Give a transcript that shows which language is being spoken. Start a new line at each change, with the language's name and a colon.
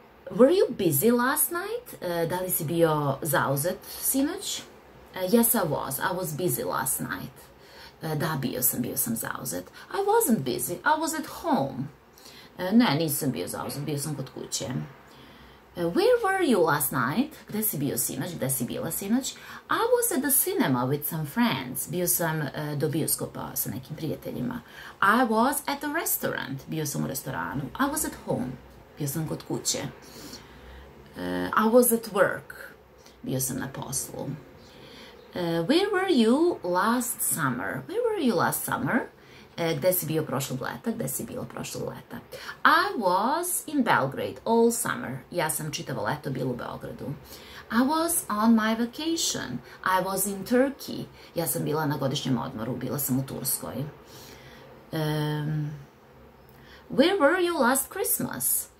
English: Were you busy last night?
Serbian: Da li si bio zauzet sinoć?
English: Yes, I was busy last night.
Serbian: Da, bio sam zauzet.
English: I wasn't busy, I was at home.
Serbian: Ne, nisam bio zauzet, bio sam kod kuće.
English: Where were you last night?
Serbian: Gde si bio sinoć, gde si bila sinoć?
English: I was at the cinema with some friends.
Serbian: Bio sam do bioskopa sa nekim prijateljima.
English: I was at the restaurant.
Serbian: Bio sam u restoranu.
English: I was at home.
Serbian: Bio sam kod kuće.
English: I was at work.
Serbian: Bio sam na poslu.
English: Where were you last summer? Where were you last summer?
Serbian: Gde si bio prošlog leta? Gde si bila prošlog leta?
English: I was in Belgrade all summer.
Serbian: Ja sam čitavo leto bila u Beogradu.
English: I was on my vacation. I was in Turkey.
Serbian: Ja sam bila na godišnjem odmoru, bila sam u Turskoj.
English: Where were you last Christmas?